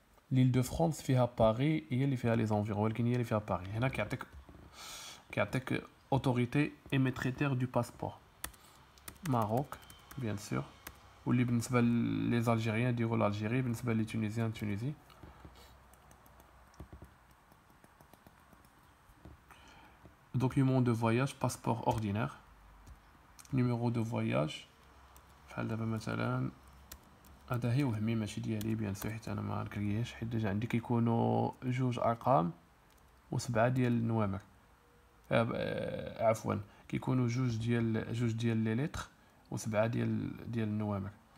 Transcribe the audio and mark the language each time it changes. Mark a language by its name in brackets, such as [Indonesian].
[Arabic] ليل دو فرانس فيها باري، هي اللي فيها لي زونفيرون، ولكن هي اللي فيها باري. هنا كيعطيك اوتوريتي اي ميتريتير دو باسبور ماروك بيان سور، واللي بالنسبه لي الجيريان ديرو الجيري، بالنسبه لي تونيزيان تونيزي. [French] Document de voyage, passeport ordinaire, numéro de voyage. [Arabic] بحال دابا مثلا هذا هي وهمي ماشي ديالي بيان سو، حيت انا ما كرييش، حيت ديجا عندي كيكونوا جوج ارقام وسبعه ديال النوامر، عفوا كيكونوا جوج ديال لي ليتر وسبعه ديال النوامر.